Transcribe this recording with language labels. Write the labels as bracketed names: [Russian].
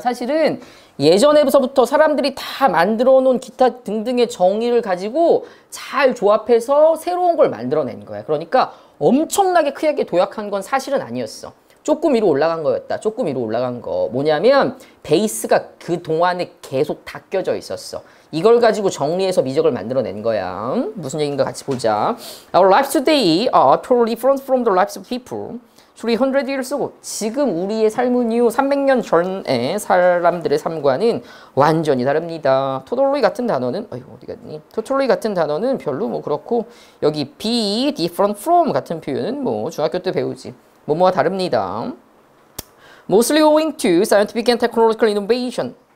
[Korean] 사실은 예전에부터 사람들이 다 만들어 놓은 기타 등등의 정의를 가지고 잘 조합해서 새로운 걸 만들어낸 거야. 그러니까 엄청나게 크게 도약한 건 사실은 아니었어. 조금 위로 올라간 거였다. 조금 위로 올라간 거 뭐냐면 베이스가 그 동안에 계속 닦여져 있었어. 이걸 가지고 정리해서 미적을 만들어낸 거야. 무슨 얘기인가 같이 보자. [English] Our lives today are totally different from the lives of people 300 years ago. [Korean] 지금 우리의 삶은요 300년 전에 사람들의 삶과는 완전히 다릅니다. Totally 같은 단어는 어디 갔니? Totally 같은 단어는 별로 뭐 그렇고 여기 [English] be different from [Korean] 같은 표현은 뭐 중학교 때 배우지. 뭐뭐와 다릅니다. [English] Mostly owing to scientific and technological innovation.